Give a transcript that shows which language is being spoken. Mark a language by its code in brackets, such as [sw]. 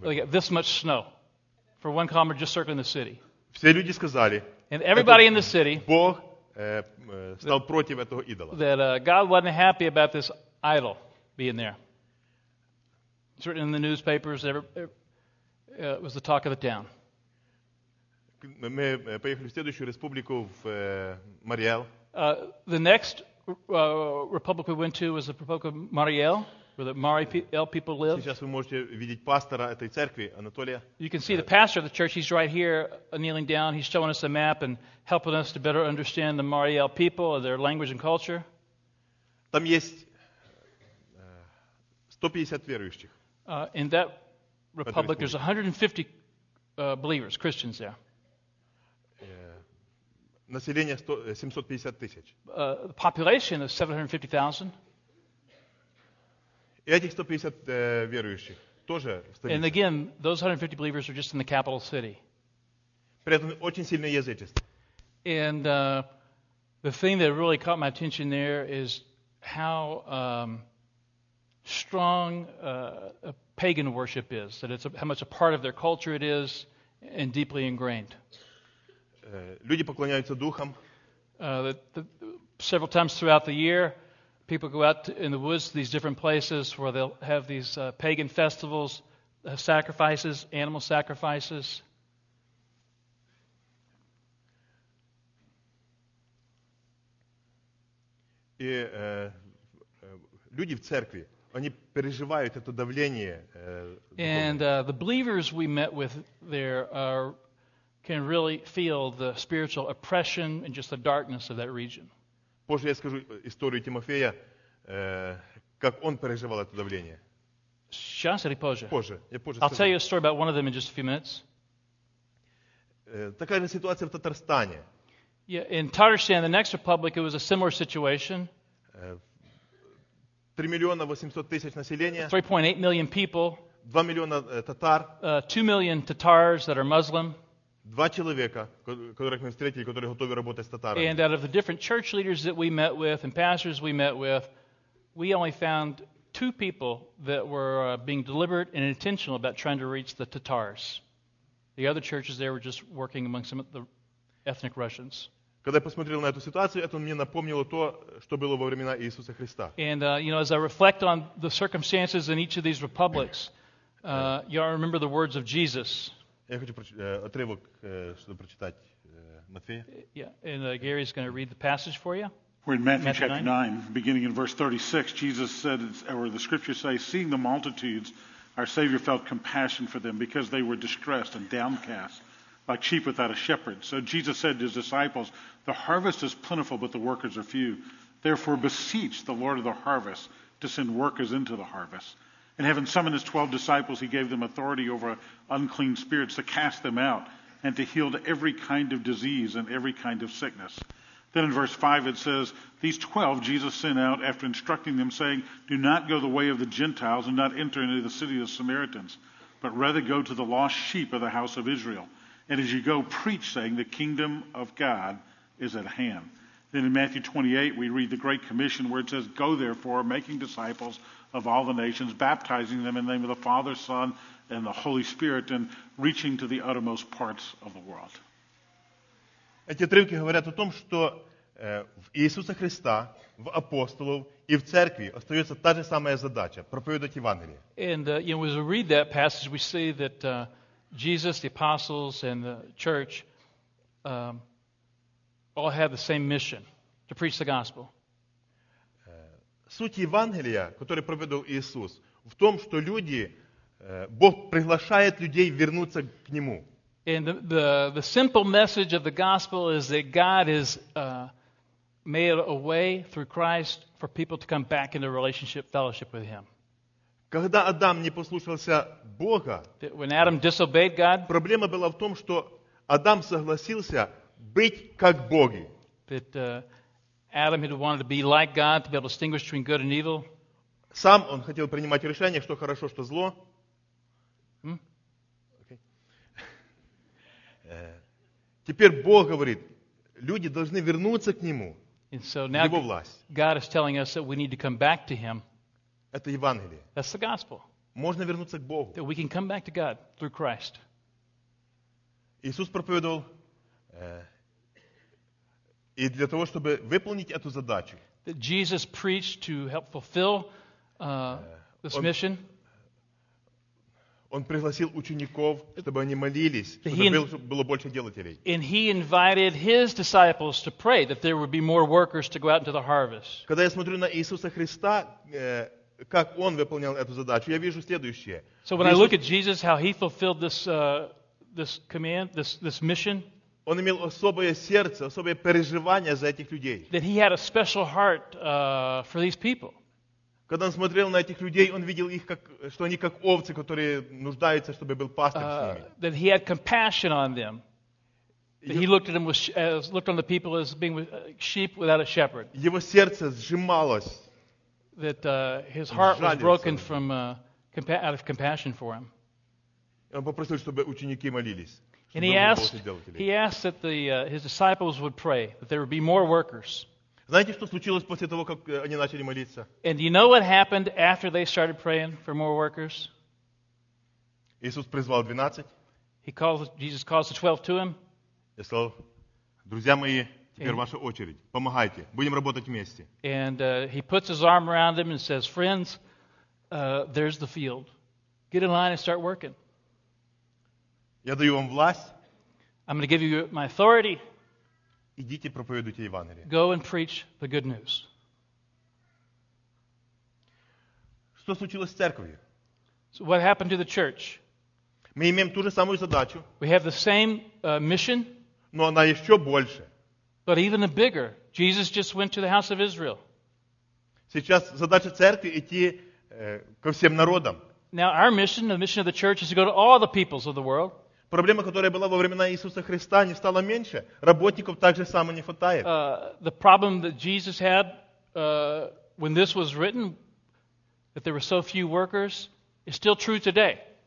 [en] this much snow for one kilometer just circling the city. [ru] Все люди сказали, [en] and everybody in the city, [ru] Бог, стал против этого идола. [en] That God wasn't happy about this idol being there. It's written in the newspapers. It was the talk of the town. [ru] Мы поехали в следующую республику в Мариэл. [en] The next republic we went to was the Republic of Мариэл, where the Мариэл people live. [ru] Сейчас вы можете видеть пастора этой церкви, Анатолия. [en] You can see the pastor of the church. He's right here, kneeling down. He's showing us a map and helping us to better understand the Мариэл people, their language and culture. [ru] Там есть 150 верующих. [en] In that Republic, there's 150 believers, Christians there. [ru] Население 750 тысяч. [en] The population is 750,000. [ru] И этих 150 верующих тоже в столице. [en] And again, those 150 believers are just in the capital city. [ru] При этом очень сильное язычество. [en] And the thing that really caught my attention there is how strong pagan worship is, that it's how much a part of their culture it is and deeply ingrained. [ru] Люди поклоняются духам. [en] Several times throughout the year, people go out in the woods to these different places where they'll have these pagan festivals, sacrifices, animal sacrifices. [ru] И люди в церкви, они переживают это давление. [en] And the believers we met with there can really feel the spiritual oppression and just the darkness of that region. [ru] Позже я скажу историю Тимофея, как он переживал это давление. Сейчас или позже? Позже. Я позже. [en] I'll tell you a story about one of them in just a few minutes. [ru] Такая же ситуация в Татарстане. [en] Yeah, in Tatarstan, the next republic, it was a similar situation. [ru] 3,800,000 населения. [en] 3.8 million people. [ru] 2 миллиона татар. [en] 2 million Tatars that are Muslim. [ru] Два человека, которых мы встретили, которые готовы работать с татарами. [en] And out of the different church leaders that we met with and pastors we met with, we only found two people that were being deliberate and intentional about trying to reach the Tatars. The other churches there were just working among some of the ethnic Russians. [ru] Когда я посмотрел на эту ситуацию, это мне напомнило то, что было во времена Иисуса Христа. [en] And, you know, as I reflect on the circumstances in each of these republics, you all remember the words of Jesus. [ru] Я хочу отрывок, чтобы прочитать Матфея. [en] Yeah, and Gary's going to read the passage for you. We're in Matthew chapter 9, beginning in verse 36. Jesus said, or the scriptures say, seeing the multitudes, our Savior felt compassion for them because they were distressed and downcast, like sheep without a shepherd. So Jesus said to his disciples, the harvest is plentiful, but the workers are few. Therefore beseech the Lord of the harvest to send workers into the harvest. And having summoned his 12 disciples, he gave them authority over unclean spirits to cast them out and to heal every kind of disease and every kind of sickness. Then in verse 5 it says, these 12 Jesus sent out after instructing them, saying, do not go the way of the Gentiles and not enter into the city of the Samaritans, but rather go to the lost sheep of the house of Israel. And as you go, preach, saying, the kingdom of God is at hand. Then in Matthew 28, we read the Great Commission, where it says, go therefore, making disciples of all the nations, baptizing them in the name of the Father, Son, and the Holy Spirit, and reaching to the uttermost parts of the world. [ru] Эти отрывки говорят о том, что в Иисуса Христа, в апостолов и в церкви остается та же самая задача – проповедовать Евангелие. [en] And you know, as we read that passage, we see that Jesus, the apostles, and the church all have the same mission to preach the gospel. [ru] Суть Евангелия, который проповедовал Иисус, в том, что люди Бог приглашает людей вернуться к Нему. [en] And the simple message of the gospel is that God has made a way through Christ for people to come back into relationship, fellowship with Him. [ru] Когда Адам не послушался Бога, [en] when Adam disobeyed God, [ru] проблема была в том, что Адам согласился быть как боги. [en] That Adam had wanted to be like God, to be able to distinguish between good and evil. [ru] Сам он хотел принимать решение, что хорошо, что зло. Теперь Бог говорит, люди должны вернуться к Нему, в Его власть. [en] God is telling us that we need to come back to Him. [ru] Это Евангелие. [en] That's the gospel. [ru] Можно вернуться к Богу. [en] That we can come back to God through Christ. [ru] Иисус проповедовал, и для того, чтобы выполнить эту задачу. [en] That Jesus preached to help fulfill this mission. [ru] Он пригласил учеников, чтобы они молились, чтобы было больше делателей. [en] And he invited his disciples to pray that there would be more workers to go out into the harvest. [ru] Когда я смотрю на Иисуса Христа, как он выполнял эту задачу, я вижу следующее. [en] So when I look at Jesus, how he fulfilled this command, this mission. [ru] Он имел особое сердце, особое переживание за этих людей. [en] That he had a special heart for these people. [ru] Когда он смотрел на этих людей, он видел их, как, что они как овцы, которые нуждаются, чтобы был пастырь с ними. [en] That he had compassion on them. That he looked at them as looked on the people as being sheep without a shepherd. [ru] Его сердце сжималось. [en] That his heart was broken from out of compassion for him. [ru] Он попросил, чтобы ученики молились. [en] And he asked that his disciples would pray, that there would be more workers. [ru] Знаете, что случилось после того, как они начали молиться? [en] And you know what happened after they started praying for more workers? [ru] Иисус призвал 12. [en] Jesus calls the 12 to him. [ru] И сказал, друзья мои, теперь ваша очередь. Помогайте, будем работать вместе. [en] And he puts his arm around them and says, friends, there's the field. Get in line and start working. [ru] Я даю вам власть. [en] I'm going to give you my authority. [ru] Идите проповедуйте Евангелие. [en] Go and preach the good news. [ru] Что случилось с церковью? [en] So what happened to the church? [ru] Мы имеем ту же самую задачу. [en] We have the same mission. [ru] Но она еще больше. [en] But even bigger. Jesus just went to the house of Israel. [ru] Сейчас задача церкви идти ко всем народам. [en] Now our mission, the mission of the church, is to go to all the peoples of the world. [ru] Проблема, которая была во времена Иисуса Христа, не стала меньше. Работников так же само не хватает. [en] The problem that Jesus had when this was written, that there were so few workers, is still true today.